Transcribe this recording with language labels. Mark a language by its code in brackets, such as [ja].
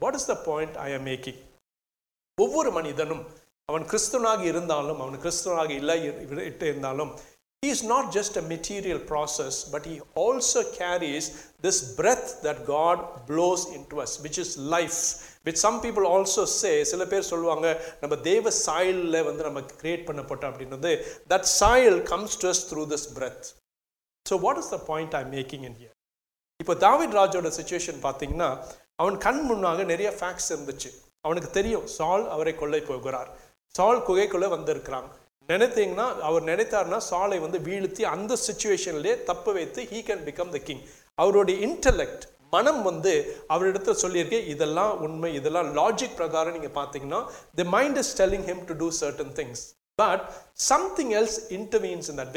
[en] What is the point I am making? [ta] ஒவ்வொரு மனிதனும், அவன் கிறிஸ்துவனாக இருந்தாலும் அவன் கிறிஸ்துவனாக இல்லாட்டு இருந்தாலும், [en] He is not just a material process, but he also carries this breath that God blows into us which is life, which some people also say. [ta] சில பேர் சொல்லுவாங்க, நம்ம தேவ சாயலில் வந்து நம்ம கிரியேட் பண்ணப்பட்ட அப்படின்றது, [en] That சாயல் comes to us through this breath. So what is the point I'm making in here? [ta] இப்ப தாவீத் ராஜோட சிச்சுவேஷன் பார்த்தீங்கன்னா, அவன் கண் முன்னாக நிறைய ஃபேக்ட்ஸ் இருந்துச்சு. அவனுக்கு தெரியும் சால் அவரை கொள்ளை போகிறார், சால் குகைக்குள்ளே வந்திருக்கிறாங்க. நினைத்தீங்கன்னா, அவர் நினைத்தார்னா சாலை வந்து வீழ்த்தி அந்த சிச்சுவேஷன்லேயே தப்பு வைத்து [en] He can become the king. [ta] அவருடைய இன்டலெக்ட், மனம் வந்து அவரிடத்துல சொல்லியிருக்கேன், இதெல்லாம் உண்மை, இதெல்லாம் லாஜிக் பிரகாரம் நீங்கள் பார்த்தீங்கன்னா, [en] The mind is telling him to do certain things, but something else intervenes in that.